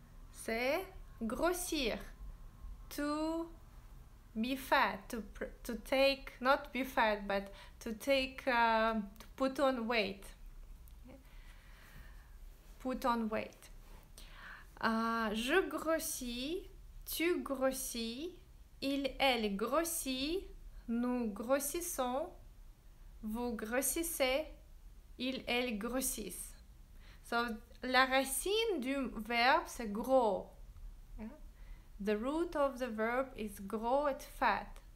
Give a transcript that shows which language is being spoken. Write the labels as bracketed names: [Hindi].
[French] C'est grossir, [English] to be fat, to take, not be fat, but to take, to put on weight. Put on weight. [French] Je grossis, tu grossis, il, elle grossit, nous grossissons, vous grossissez, ils, elles grossissent. So, la racine du verbe, c'est gros. [English] The root of the verb is grow et fat.